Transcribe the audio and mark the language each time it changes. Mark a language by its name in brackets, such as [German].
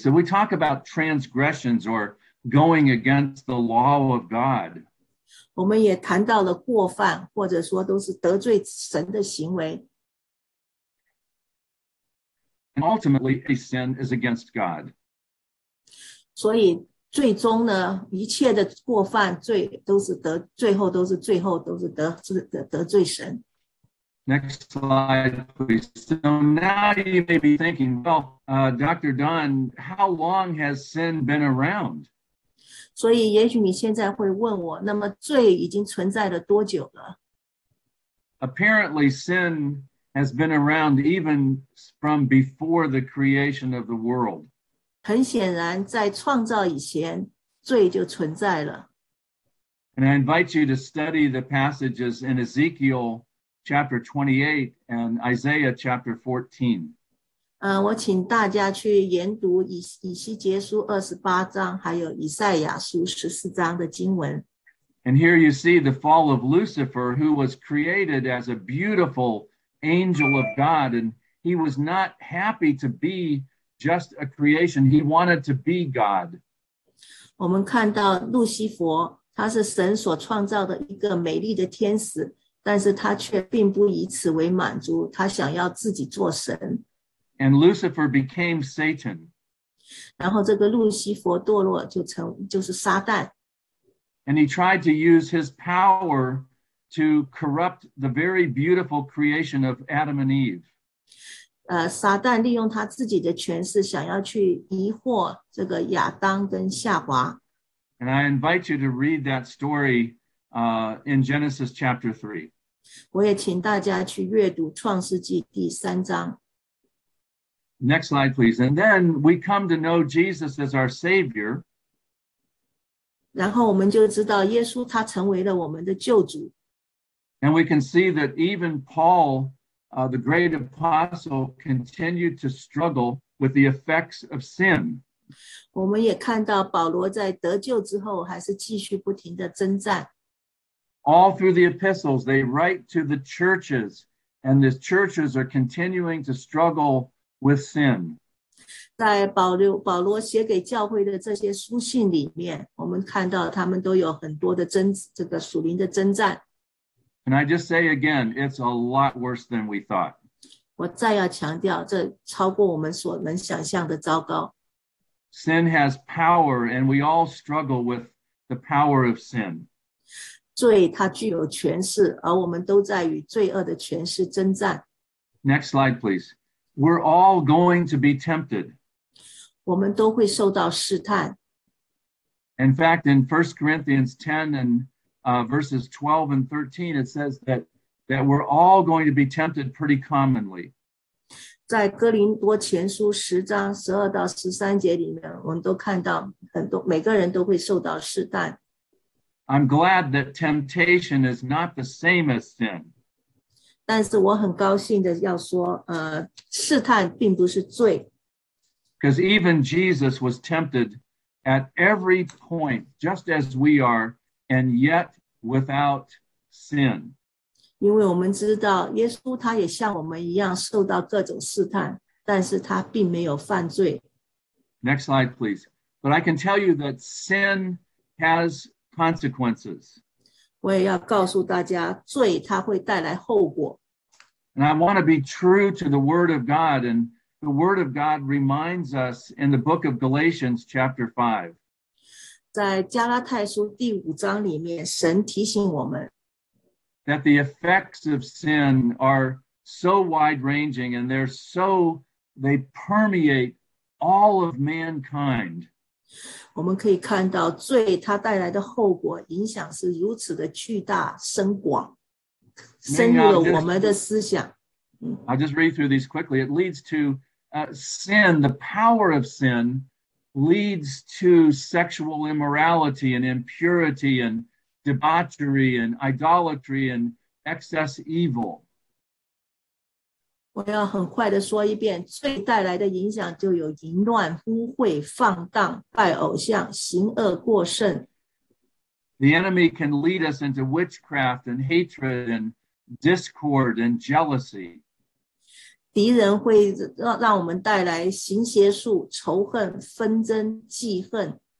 [English] So we talk about transgressions or going against the law of God. [Chinese] 我们也谈到了过犯，或者说都是得罪神的行为。 [English] And ultimately, a sin is against God. [Chinese] 所以最终呢，一切的过犯罪都是得，最后都是得罪神。 [English] Next slide, please. So now you may be thinking, well, Dr. Don, how long has sin been around? [Chinese] 所以也许你现在会问我，那么罪已经存在了多久了？ [English] Apparently, sin has been around even from before the creation of the world. [Chinese] 很显然，在创造以前，罪就存在了。 [English] And I invite you to study the passages in Ezekiel chapter 28 and Isaiah chapter 14. [Chinese] 我请大家去研读以西结书28章，还有以赛亚书14章的经文。 [English] And here you see the fall of Lucifer, who was created as a beautiful angel of God, and he was not happy to be just a creation. He wanted to be God. [Chinese] 我们看到路西佛，他是神所创造的一个美丽的天使，但是他却并不以此为满足，他想要自己做神。 [English] And Lucifer became Satan. [Chinese] 然后这个路西佛堕落就是撒旦。 [English] And he tried to use his power to corrupt the very beautiful creation of Adam and Eve. [Chinese] 撒旦利用他自己的权势想要去迷惑这个亚当跟夏娃。 [English] And I invite you to read that story in Genesis chapter 3. [Chinese] 我也请大家去阅读创世纪第三章。 [English] Next slide, please. And then we come to know Jesus as our Savior. [Chinese] 然后我们就知道耶稣他成为了我们的救主。 [English] And we can see that even Paul, the great apostle, continued to struggle with the effects of sin. [Chinese] 我们也看到保罗在得救之后还是继续不停的征战。 [English] All through the epistles, they write to the churches, and the churches are continuing to struggle with sin. [Chinese] 在保罗写给教会的这些书信里面，我们看到他们都有很多的属灵的征战。 [English] And I just say again, it's a lot worse than we thought. [Chinese] 我再要强调，这超过我们所能想象的糟糕。 [English] Sin has power, and we all struggle with the power of sin. [Chinese] 罪它具有权势，而我们都在与罪恶的权势征战。 [English] Next slide, please. We're all going to be tempted. [Chinese] 我们都会受到试探。 [English] In fact, in 1 Corinthians 10 and verses 12 and 13, it says that we're all going to be tempted pretty commonly. [Chinese] 在哥林多前书十章十二到十三节里面，我们都看到很多每个人都会受到试探。 [English] I'm glad that temptation is not the same as sin. [Chinese] 但是我很高兴的要说，试探并不是罪。 [English] Because even Jesus was tempted at every point, just as we are, and yet without sin. [Chinese] 因为我们知道耶稣他也像我们一样受到各种试探，但是他并没有犯罪。 [English] Next slide, please. But I can tell you that sin has consequences. [Chinese] 我也要告诉大家，罪它会带来后果。 [English] And I want to be true to the word of God, and the word of God reminds us in the book of Galatians chapter 5. [Chinese] 在加拉太书第五章里面，神提醒我们。 [English] That the effects of sin are so wide-ranging and they permeate all of mankind. [Chinese] 我们可以看到罪它带来的后果影响是如此的巨大深广，深入了我们的思想。 [English] I'll just read through these quickly. It leads to sin, the power of sin leads to sexual immorality and impurity and debauchery and idolatry and excess evil. [Chinese] 我要很快的说一遍，罪带来的影响就有淫乱、污秽、放荡、拜偶像、行恶过甚。 [English] The enemy can lead us into witchcraft and hatred and discord and jealousy. [Chinese] 敌人会 让我们带来行邪术、仇恨、纷争、忌恨。